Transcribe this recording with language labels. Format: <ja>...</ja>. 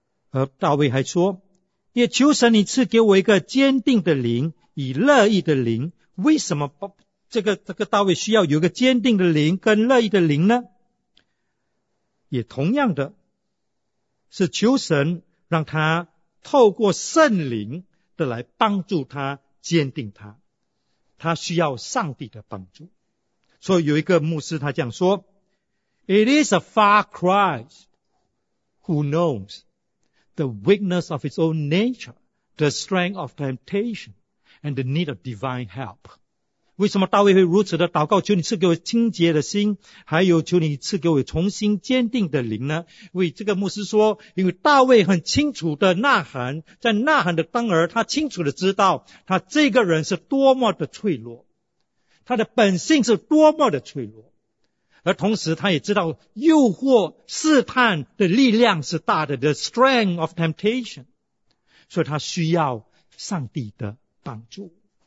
<zh>而大卫还说：“也求神你赐给我一个坚定的灵，以乐意的灵。” 为什么这个大卫需要有一个坚定的灵跟乐意的灵呢？也同样的，是求神让他透过圣灵的来帮助他坚定他。他需要上帝的帮助，所以有一个牧师他这样说</zh> <en>：“It is a far cry who knows the weakness of his own nature, the strength of temptation, and the need of divine help。”</en> <zh>为什么大卫会如此的祷告，求你赐给我清洁的心，还有求你赐给我重新坚定的灵呢？为这个牧师说，因为大卫很清楚的呐喊，在呐喊的当儿，他清楚的知道他这个人是多么的脆弱，他的本性是多么的脆弱，而同时他也知道诱惑试探的力量是大的 ，</zh> <en>the strength of temptation，</en> <zh>所以他需要上帝的帮助。</zh>